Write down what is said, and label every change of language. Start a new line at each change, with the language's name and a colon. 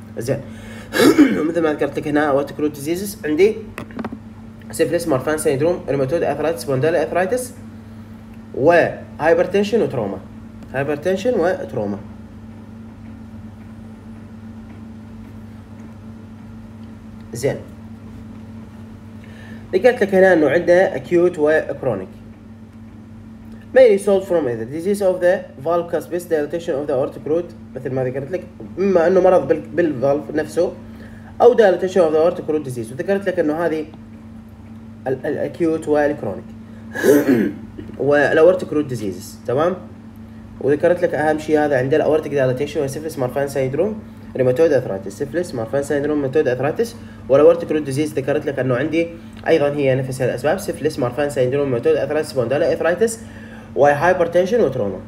Arabic: زين، مثل ما ذكرت لك هنا اورتيك رود ديزيزز عندي سيفلس، مارفان سيندروم، روماتويد ارثرايتس، بوندال ارثرايتس، وهايبرتنشن وتروما. هايبرتنشن وتروما. زين، ذكرت لك هنا انه عنده اكيوت وكرونيك.
English: May result from either disease of the valve cuspis, dilatation of the aortic root،
Arabic: مثل ما ذكرت لك، مما انه مرض بالفالف نفسه، او
English: dilatation of the aortic root disease.
Arabic: وذكرت لك انه هذه الاكيوت والكرونيك والاورتيك رود ديزيزز. تمام، وذكرت لك اهم شيء هذا عند الاورتيك دايليتيشن والسيفلس مارفان سيندروم روماتويد ارثرايتس. سيفلس، مارفان سيندروم، روماتويد ارثرايتس، والاورتيك رود ديزيز ذكرت لك انه عندي ايضا هي نفس الاسباب، سيفلس، مارفان سيندروم، روماتويد ارثرايتس، بوندال ارثرايتس، وهايبرتنشن وتروما.